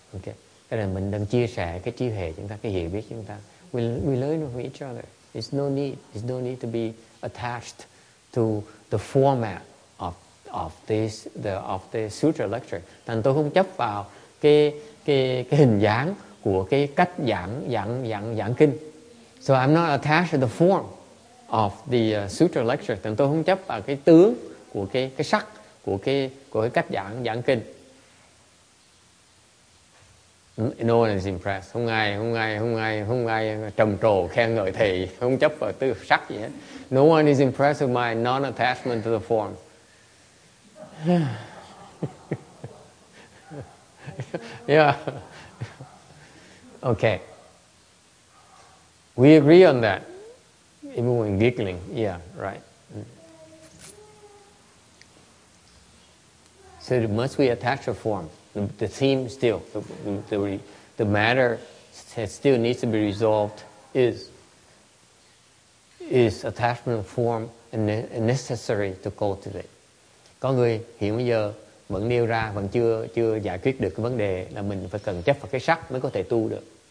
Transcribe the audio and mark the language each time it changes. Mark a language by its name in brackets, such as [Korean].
[Vietnamese] Okay, cái này mình đang chia sẻ cái trí hệ chúng ta, cái hiểu biết chúng ta. [English] We learn from each other. It's no need to be attached to the format of of this sutra lecture. [Vietnamese] Thành tôi không chấp vào cái hình dáng của cái cách giảng kinh. [English] So I'm not attached to the form of the sutra lecture. [Vietnamese] Thành tôi không chấp vào cái tướng của cái sắc của cái cách giảng kinh. [English] No one is impressed. [Vietnamese] Không ai trầm trồ khen ngợi thầy, không chấp vào tư sắc gì hết. [English] No one is impressed with my non-attachment to the form. Yeah. Okay. We agree on that. Even when giggling. Yeah, right. So must we attach a form? The theme still, the matter that still needs to be resolved is attachment form necessary to cultivate? [Vietnamese] Có người hiện bây giờ vẫn nêu ra vẫn chưa giải quyết được cái vấn đề là mình phải cần chấp vào cái sắc mới có thể tu được.